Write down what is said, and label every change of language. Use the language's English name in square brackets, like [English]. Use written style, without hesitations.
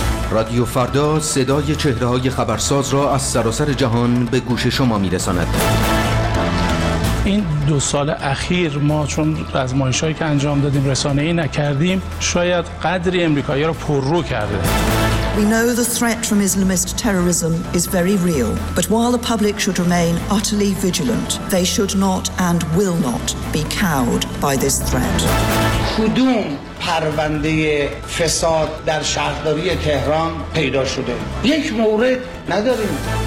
[Persian] رادیو فردا صدای چهره های خبرساز را از سراسر جهان به گوش شما می رساند. این دو سال اخیر ما چون رزمایشایی که انجام دادیم رسانه‌ای نکردیم، شاید قدری امریکایی را پررو کرده. [English] We know the threat from Islamist terrorism is very real, but while the public should remain utterly vigilant, they should not and will not be cowed by this threat. [Persian] کدوم پرونده فساد در شهرداری تهران پیدا شده؟ یک مورد نداریم.